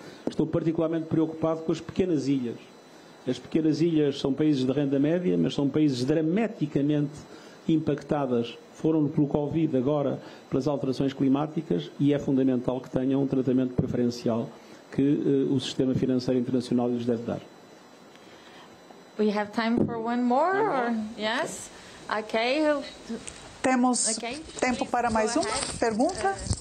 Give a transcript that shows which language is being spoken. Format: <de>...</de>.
<pt>Estou particularmente preocupado com as pequenas ilhas. As pequenas ilhas são países de renda média, mas são países dramaticamente impactadas. Foram pelo Covid, agora pelas alterações climáticas, e é fundamental que tenham um tratamento preferencial que o sistema financeiro internacional lhes deve dar.</pt> <en>We have time for one more? Yes? Okay.</en> <pt>Temos tempo para mais uma pergunta?</pt>